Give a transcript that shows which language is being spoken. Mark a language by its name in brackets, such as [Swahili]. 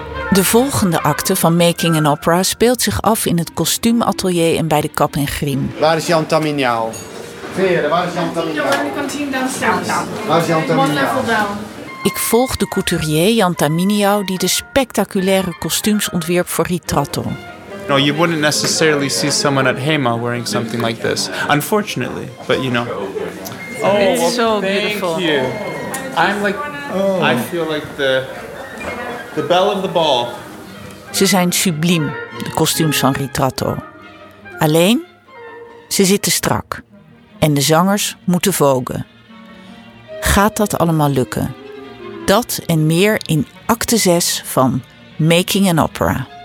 [Dutch] De volgende acte van Making an Opera speelt zich af in het kostuumatelier en bij de Kap en Griem. Waar is Jan Tamignaal? Veren, waar is Jan Tamignaal? In de kantine [English] downstairs. [Dutch] Waar is Jan Tamignaal? [English] One level down. [Dutch] Ik volg de couturier Jan Tamignaal die de spectaculaire kostuums ontwierp voor Ritratto. [English] No, you wouldn't necessarily see someone at HEMA wearing something like this. Unfortunately, but you know. Oh, it's so beautiful. Thank you. I'm like, I feel like the belle of the ball. [Dutch] Ze zijn subliem, de kostuums van Ritratto. Alleen, ze zitten strak. En de zangers moeten vogen. Gaat dat allemaal lukken? Dat en meer in acte 6 van Making an Opera.